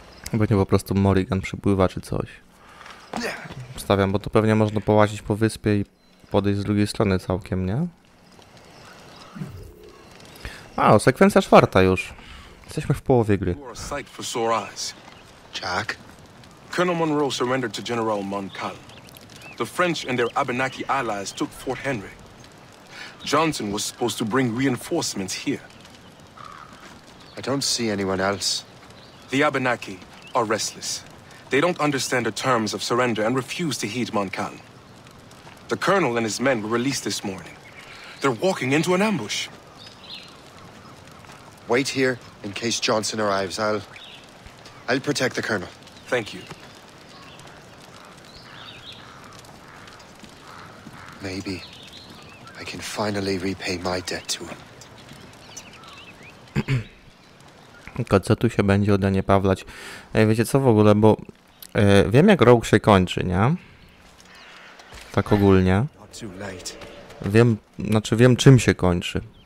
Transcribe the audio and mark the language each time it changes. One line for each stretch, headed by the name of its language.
Polish: Pewnie po prostu Morrigan przypływa czy coś. Stawiam, bo to pewnie można połazić po wyspie i podejść z drugiej strony całkiem, nie? A, sekwencja czwarta już. Jesteśmy w połowie gry.
English: You are a sight for sore eyes. Jack? Colonel Monroe surrendered to General Montcalm. The French and their Abenaki allies took Fort Henry. Johnson was supposed to bring reinforcements here. I don't see anyone else. The Abenaki are restless. They don't understand the terms of surrender and refuse to heed Montcalm. The colonel and his men were released this morning. They're walking into an ambush. Wait here in case Johnson arrives. I'll protect the colonel. Thank you. Maybe I can finally repay my debt to him.
Polish: Tylko co tu się będzie ode mnie pawlać? Wiecie co w ogóle, bo wiem jak Rogue się kończy, nie? Tak ogólnie. Wiem, znaczy wiem czym się kończy.